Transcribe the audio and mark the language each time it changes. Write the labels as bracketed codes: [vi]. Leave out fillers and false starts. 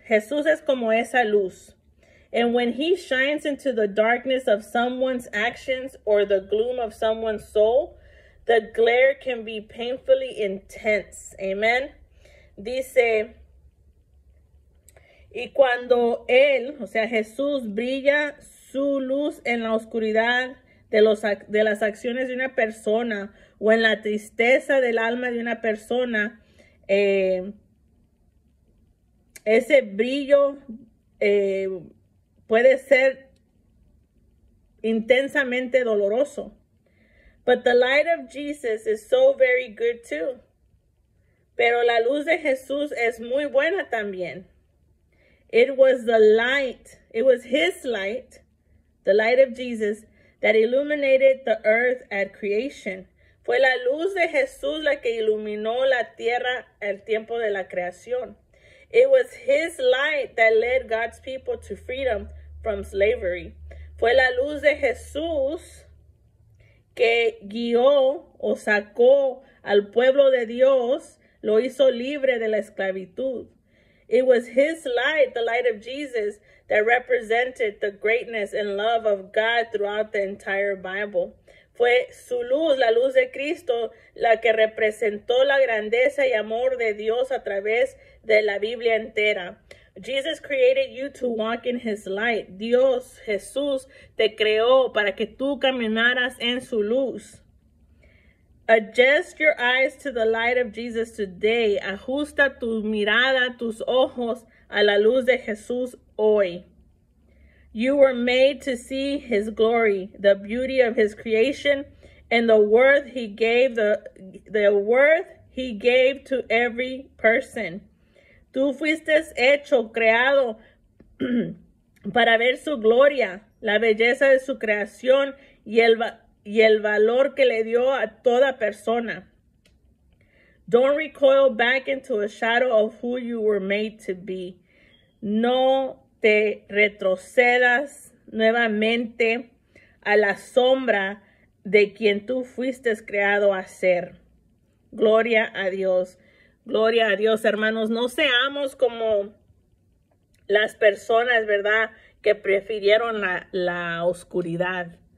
[es] Jesús es como esa luz. [en] And when he shines into the darkness of someone's actions or the gloom of someone's soul, the glare can be painfully intense. Amen. [es] Dice, y cuando él, o sea, Jesús, brilla su luz en la oscuridad de las acciones de una persona o en la tristeza del alma de una persona, ese brillo puede ser intensamente doloroso. [en] But the light of Jesus is so very good too. [es] Pero la luz de Jesús es muy buena también. [en] It was the light, it was his light, the light of Jesus, that illuminated the earth at creation. [es] Fue la luz de Jesús la que iluminó la tierra al tiempo de la creación. [en] It was his light that led God's people to freedom from slavery. [es] Fue la luz de Jesús que guió o sacó al pueblo de Dios, lo hizo libre de la esclavitud. [en] It was his light, the light of Jesus, that represented the greatness and love of God throughout the entire Bible. [es] Fue su luz, la luz de Cristo, la que representó la grandeza y amor de Dios a través de la Biblia entera. [en] Jesus created you to walk in his light. [es] Dios, Jesús, te creó para que tú caminaras en su luz. [en] Adjust your eyes to the light of Jesus today. [es] Ajusta tu mirada, tus ojos, a la luz de Jesús hoy. [en] You were made to see his glory, the beauty of his creation, and the worth he gave to every person. [es] Tú fuiste hecho, creado, para ver su gloria, la belleza de su creación y el valor que le dio a toda persona. [en] Don't recoil back into a shadow of who you were made to be. [es] No te retrocedas nuevamente a la sombra de quien tú fuiste creado a ser. Gloria a Dios. Gloria a Dios, hermanos. No seamos como las personas, ¿verdad?, que prefirieron la oscuridad.